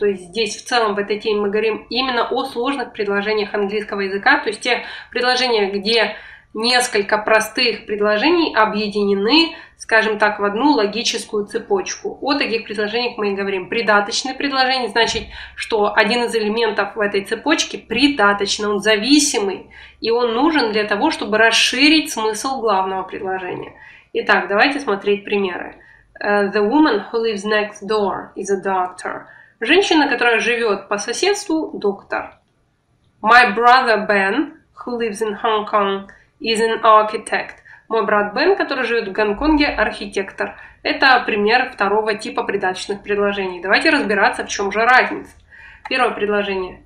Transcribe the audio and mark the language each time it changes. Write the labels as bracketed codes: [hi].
[ru] То есть здесь в целом в этой теме мы говорим именно о сложных предложениях английского языка, то есть те предложения, где несколько простых предложений объединены, скажем так, в одну логическую цепочку. О таких предложениях мы и говорим. Придаточные предложения, значит, что один из элементов в этой цепочке придаточный, он зависимый, и он нужен для того, чтобы расширить смысл главного предложения. Итак, давайте смотреть примеры. [en] The woman who lives next door is a doctor. [ru] Женщина, которая живет по соседству, доктор. [en] My brother Ben, who lives in Hong Kong, is an architect. [ru] Мой брат Бен, который живет в Гонконге, архитектор. Это пример второго типа придаточных предложений. Давайте разбираться, в чем же разница. Первое предложение.